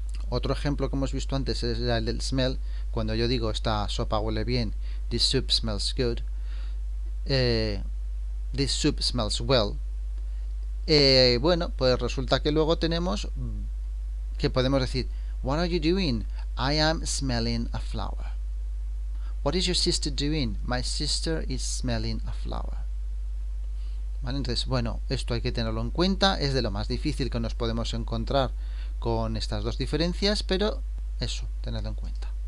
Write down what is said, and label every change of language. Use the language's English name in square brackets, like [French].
[Spanish] Otro ejemplo que hemos visto antes es el del smell. Cuando yo digo esta sopa huele bien, [English] this soup smells good. This soup smells well. [Spanish] Bueno, pues resulta que luego tenemos que podemos decir, [English] What are you doing? I am smelling a flower. What is your sister doing? My sister is smelling a flower. [Spanish] ¿Vale? Entonces, bueno, esto hay que tenerlo en cuenta. Es de lo más difícil que nos podemos encontrar con estas dos diferencias, pero eso, tenedlo en cuenta.